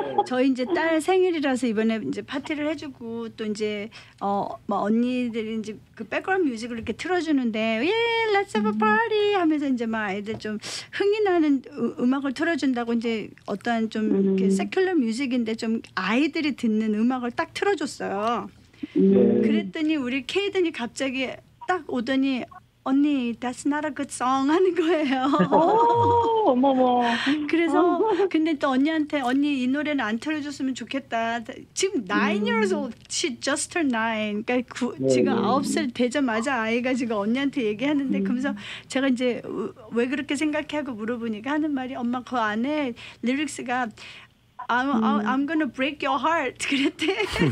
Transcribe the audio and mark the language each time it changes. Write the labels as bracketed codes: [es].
[ko] 저희 이제 딸 생일이라서 이번에 이제 파티를 해주고 또 이제 뭐 언니들이 이제 그 백그라운드 뮤직을 이렇게 틀어주는데 예, [en] let's have a party [ko] 하면서 이제 막 애들 좀 흥이 나는 음악을 틀어준다고 이제 어떠한 좀 이렇게 세큘러 뮤직인데 좀 아이들이 듣는 음악을 딱 틀어줬어요. 그랬더니 우리 케이든이 갑자기 딱 오더니 언니, [en] that's not a good song [ko] 하는 거예요. 오, 어머머. 그래서 근데 또 언니한테 언니 이 노래는 안 틀어줬으면 좋겠다. 지금 [en] nine years old, she just turned nine. [ko] 그러니까 지금 9살 되자마자 아이가 지금 언니한테 얘기하는데 그러면서 제가 이제 왜 그렇게 생각하고 물어보니까 하는 말이 엄마 그 안에 리릭스가 [en] I'm gonna break your heart [ko] 그랬대.